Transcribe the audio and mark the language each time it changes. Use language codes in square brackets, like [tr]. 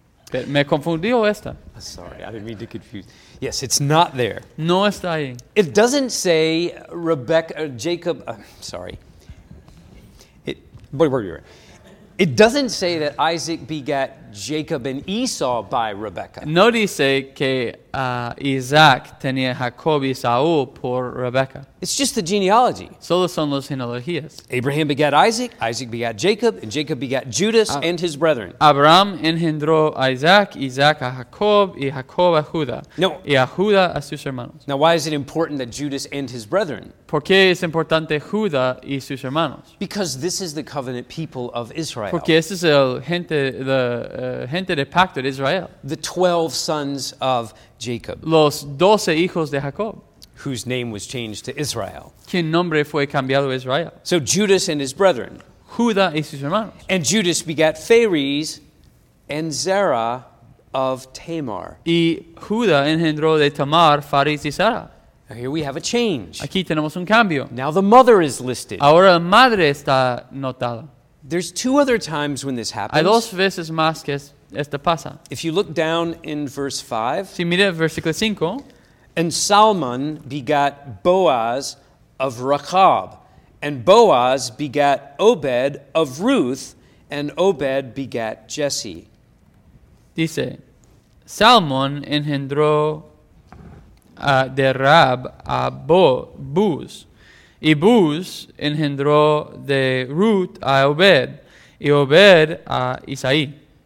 [es] Pero me confundí o esta. [en] Sorry, I didn't mean to confuse. Yes, it's not there. [es] No está ahí. [en] It doesn't say Jacob. Sorry. Boy, where are you? It doesn't say that Isaac begat Jacob and Esau by Rebekah. [es] No dice que Isaac tenía Jacob y Esau por Rebekah. [en] It's just the genealogy. [es] Solo son las genealogías. [en] Abraham begat Isaac, Isaac begat Jacob, and Jacob begat Judas and his brethren. [es] Abraham engendró a Isaac, Isaac a Jacob, y Jacob a Judah. No. Y a Judah a sus hermanos. [en] Now, why is it important that Judas and his brethren? [es] ¿Por qué es importante Judah y sus hermanos? [en] Because this is the covenant people of Israel. [es] Porque este es el gente de gente de pacto de Israel. [en] The 12 sons of Jacob. [es] Los 12 hijos de Jacob. [en] Whose name was changed to Israel. [es] ¿Quién nombre fue cambiado a Israel? [en] So Judas and his brethren. [es] Judah y sus hermanos. [en] And Judas begat Phares and Zerah of Tamar. [es] Y Judá engendró de Tamar Faris y Zerah. [en] Now here we have a change. [es] Aquí tenemos un cambio. [en] Now the mother is listed. [es] Ahora la madre está notada. [en] There's two other times when this happens. [es] Hay dos veces más que esto pasa. [en] If you look down in verse 5, [es] si mira el versículo 5, [en] and Salmon begat Boaz of Rahab, and Boaz begat Obed of Ruth, and Obed begat Jesse. [es] Dice, Salmon engendró de Rab a Buz, y Buz engendró de Ruth a Obed, y Obed a Isaí.